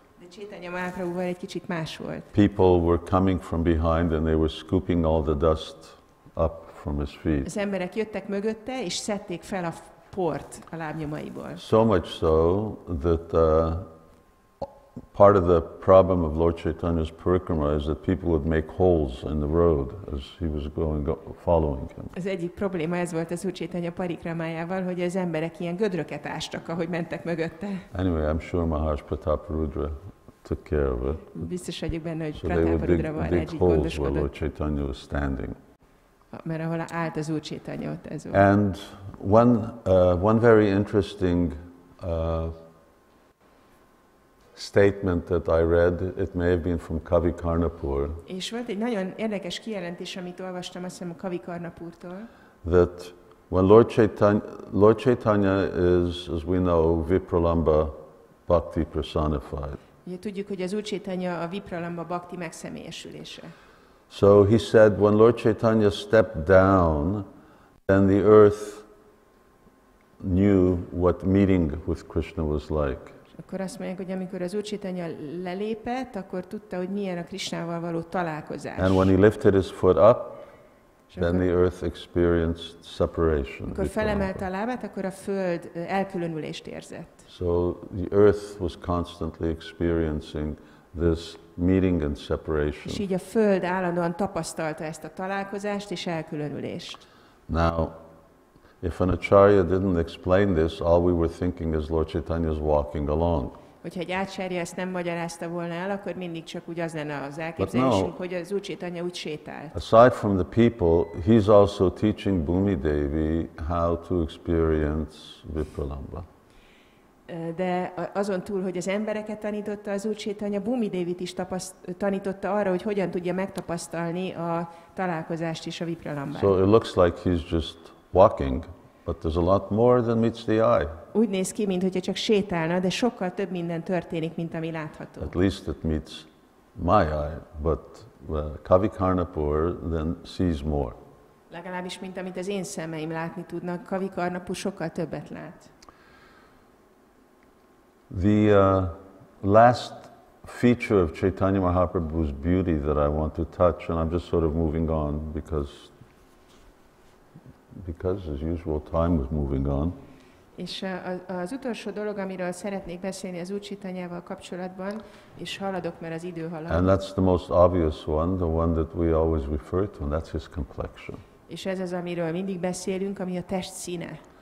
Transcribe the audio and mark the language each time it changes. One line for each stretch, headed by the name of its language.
Hungarian: De Chaitanya Mahaprabhuval egy kicsit más volt.
English: People were coming from behind and they were scooping all the dust up from his feet.
Hungarian: Az emberek jöttek mögötte és szedték fel a port a lábnyomaiból.
English: So much so that part of the problem of Lord Chaitanya's parikrama is that people would make holes in the road as he was going following him.
Hungarian: Az egyik probléma ez volt az Úr Chaitanya parikramájával, hogy az emberek ilyen gödröket ástak, ahogy mentek mögötte.
English: Anyway, I'm sure Maharaj Pratap Rudra took care of it.
Hungarian: Biztos vagyok benne, hogy Pratap Rudra valahogy gondoskodott.
English: So they would dig holes where Lord Chaitanya was standing.
Hungarian: Mert ahol állt az Úr Chaitanya, ott ez volt.
English: And one very interesting statement that I read, it may have been from Kavi Karnapur.
Hungarian: És volt egy nagyon érdekes kijelentés, amit olvastam, azt hiszem, a Kavi Karnapurtól.
English: That When Lord Chaitanya is, as we know, Vipralamba Bhakti personified.
Hungarian: Ugye tudjuk, hogy az Úr Chaitanya a Vipralamba Bhakti megszemélyesülése.
English: So he said, when Lord Chaitanya stepped down, then the earth knew what meeting with Krishna was like.
Hungarian: Akkor azt mondják, hogy amikor az Úr Chaitanya lelépett, akkor tudta, hogy milyen a Krisnával való találkozás.
English: And when he lifted his foot up, then the earth experienced separation.
Hungarian: Amikor felemelte a lábát, akkor a föld elkülönülést érzett.
English: So the earth was constantly experiencing this meeting and separation.
Hungarian: És így a föld állandóan tapasztalta ezt a találkozást és elkülönülést.
English: Now, if an acharya didn't explain this, all we were thinking is Lord Chaitanya is walking along.
Hungarian: Hogyha egy ácsárja ezt nem magyarázta volna el, akkor mindig csak úgy az lenne az elképzelésünk, hogy az Úr Chaitanya úgy sétált.
English: Aside from the people, he's also teaching Bhumi Devi how to experience Vipralamba.
Hungarian: De azon túl, hogy az embereket tanította az Úr Chaitanya, Bhumi Devit is tanította arra, hogy hogyan tudja megtapasztalni a találkozást is a Vipralambát.
English: So it looks like he's just walking, but there's a lot more than meets the eye.
Hungarian: Úgy néz ki, mintha csak sétálna, de sokkal több minden történik, mint ami látható.
English: At least it meets my eye, but Kavi Karnapur then sees more.
Hungarian: Legalábbis, mint amit az én szemeim látni tudnak, Kavi Karnapur sokkal többet lát.
English: The last feature of Chaitanya Mahaprabhu's beauty that I want to touch, and I'm just sort of moving on because as usual time was moving on.
Hungarian: És az utolsó dolog, amiről szeretnék beszélni az Úr Chaitanyával kapcsolatban, és haladok, mert az idő halad.
English: And that's the most obvious one, the one that we always refer to, and that's his complexion.
Hungarian: És ez az, amiről mindig beszélünk, ami a test színe.